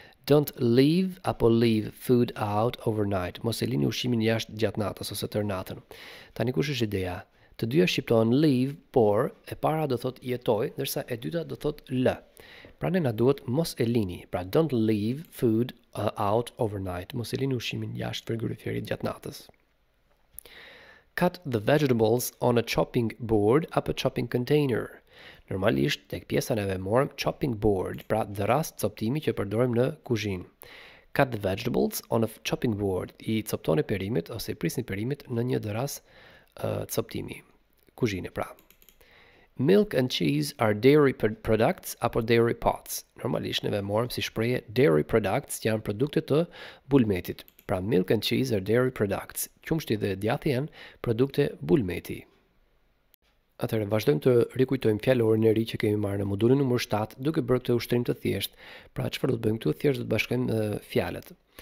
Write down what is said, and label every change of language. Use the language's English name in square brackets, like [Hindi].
[English] Don't leave apo leave food out overnight. [Albanian] Mos e lini ushqimin jashtë gjatë natës ose tër natën. Tani kush është ideja? Të dyja shqiptohen leave, por e para do thot jetoj, ndërsa e dyta do thot lë. Pra ne na duhet mos e lini. [English] Pra don't leave food out overnight. [Albanian] Mos e lini ushqimin jashtë frigoriferit gjatë natës. [English] Cut the vegetables on a chopping board up a chopping container. [Albanian] Normalisht tek pjesa neve morëm chopping board, pra dhëras coptimi që përdorim në kuzhinë. [English] Cut the vegetables on a chopping board. [Albanian] I coptoni perimet ose i prisni perimet në një dhëras coptimi. Kuzhinë pra. [English] Milk and cheese are dairy products apo dairy pots. [Albanian] Normalisht neve morëm si shprehje dairy products janë produkte të bulmetit. [English] Pra milk and cheese are dairy products. [Albanian] Qumshti dhe djathi janë produkte bulmeti. Atëherë vazhdojmë të rikujtojmë fjalorin e ri që kemi marrë në modulin numër 7 duke bërë këtë ushtrim të thjeshtë. Pra çfarë do të bëjmë këtu? Thjesht do të bashkojmë fjalët.